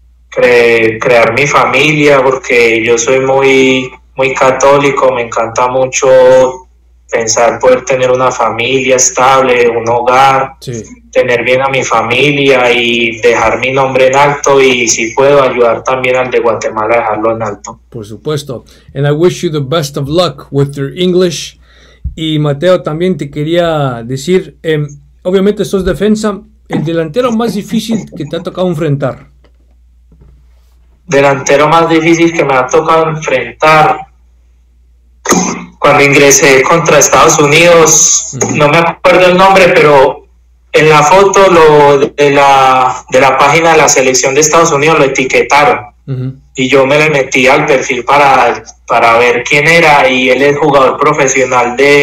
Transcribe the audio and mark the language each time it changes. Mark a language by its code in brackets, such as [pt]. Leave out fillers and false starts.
[es] crear mi familia, porque yo soy muy, muy católico, me encanta mucho pensar poder tener una familia estable, un hogar, Sí. tener bien a mi familia y dejar mi nombre en alto y si puedo ayudar también al de Guatemala a dejarlo en alto. Por supuesto. [en] And I wish you the best of luck with your English. [es] Y Mateo, también te quería decir, obviamente sos defensa, el delantero más difícil que te ha tocado enfrentar. Delantero más difícil que me ha tocado enfrentar. Cuando ingresé contra Estados Unidos, no me acuerdo el nombre, pero en la foto de la página de la selección de Estados Unidos lo etiquetaron y yo me le metí al perfil para ver quién era y él es jugador profesional